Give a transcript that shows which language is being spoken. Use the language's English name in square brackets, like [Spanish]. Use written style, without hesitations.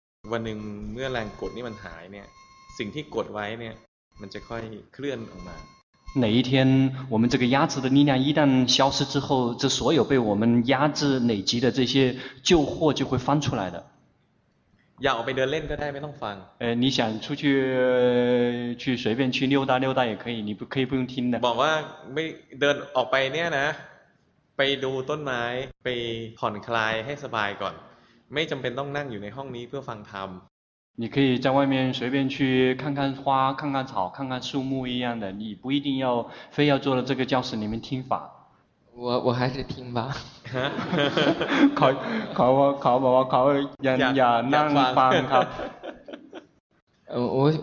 [Thai] วันหนึ่งเมื่อแรงกดนี่มันหายเนี่ยสิ่งที่กดไว้เนี่ยมันจะค่อยเคลื่อนออกมา [Chinese] 哪一天我们这个压制的力量一旦消失之后这所有被我们压制累积的这些旧货就会翻出来的 [Thai] อยากออกไปเดินเล่นก็ได้ไม่ต้องฟัง [Chinese] 你想出去去随便去溜达溜达也可以你不可以不用听的 [Thai] บอกว่าไม่เดินออกไปเนี่ยนะไปดูต้นไม้ไปผ่อนคลายให้สบายก่อนไม่จำเป็นต้องนั่งอยู่ในห้องนี้เพื่อฟังธรรม [Chinese] 你可以在外面随便去看看花看看草看看树木一样的你不一定要非要坐在这个教室里面听法我还是听吧 [Thai] เขาเขายังอย่านั่งฟังครับ